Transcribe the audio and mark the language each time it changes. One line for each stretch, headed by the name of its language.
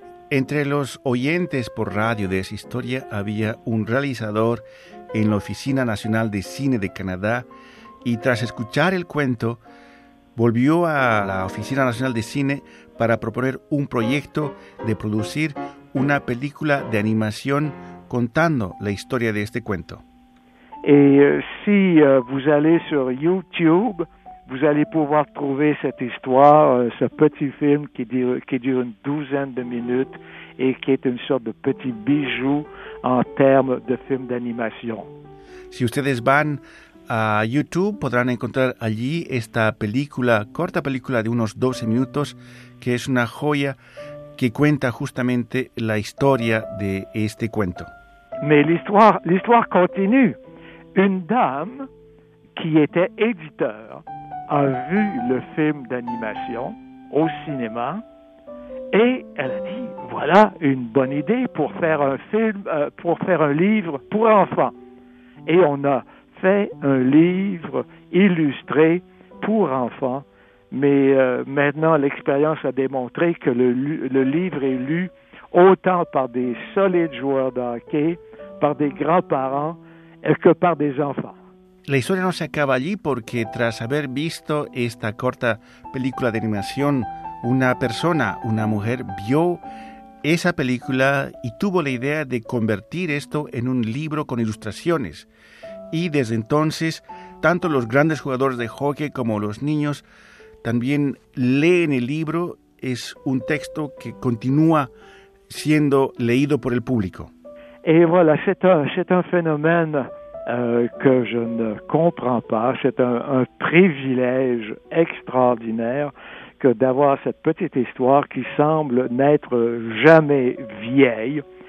Spanish: Entre los oyentes por radio de esa historia había un realizador en la Oficina Nacional de Cine de Canadá y tras escuchar el cuento volvió a la Oficina Nacional de Cine para proponer un proyecto de producir una película de animación contando la historia de este cuento.
French: Et si vous allez sur YouTube, vous allez pouvoir trouver cette histoire, ce petit film qui dure une douzaine de minutes et qui est une sorte de petit bijou en termes de film d'animation.
Spanish: Si ustedes van a YouTube, podrán encontrar allí esta película, corta película de unos 12 minutos, que es una joya que cuenta justamente la historia de este cuento.
French: Mais l'histoire continue. Une dame qui était éditeur a vu le film d'animation au cinéma et elle a dit « Voilà une bonne idée pour faire un film, pour faire un livre pour enfants. » Et on a fait un livre illustré pour enfants, mais maintenant l'expérience a démontré que le livre est lu autant par des solides joueurs de hockey, par des grands-parents, que par des enfants.
Spanish: La historia no se acaba allí porque tras haber visto esta corta película de animación, una persona, una mujer, vio esa película y tuvo la idea de convertir esto en un libro con ilustraciones. Y desde entonces, tanto los grandes jugadores de hockey como los niños también leen el libro. Es un texto que continúa siendo leído por el público.
French: Et voilà, c'est un phénomène que je ne comprends pas. C'est un privilège extraordinaire que d'avoir cette petite histoire qui semble n'être jamais vieille.